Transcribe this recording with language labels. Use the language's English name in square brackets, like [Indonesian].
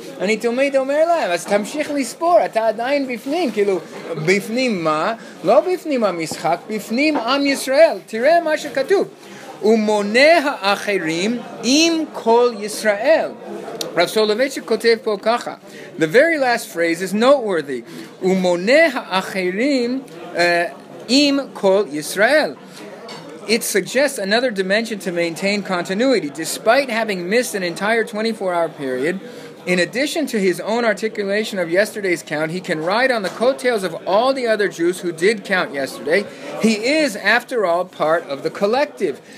[Hebrew] אני תמיד אומר להם, אז תמשיך לספור, אתה עדיין בפנים, כאילו, בפנים מה? לא בפנים המשחק, בפנים עם ישראל. תראה מה שכתוב. ומונה האחרים עם כל ישראל. רב סולובייצ'יק כותב פה ככה. [English] The very last phrase is noteworthy. [Hebrew] ומונה האחרים עם כל ישראל. [English] It suggests another dimension to maintain continuity. Despite having missed an entire 24-hour period, in addition to his own articulation of yesterday's count, he can ride on the coattails of all the other Jews who did count yesterday. He is, after all, part of the collective.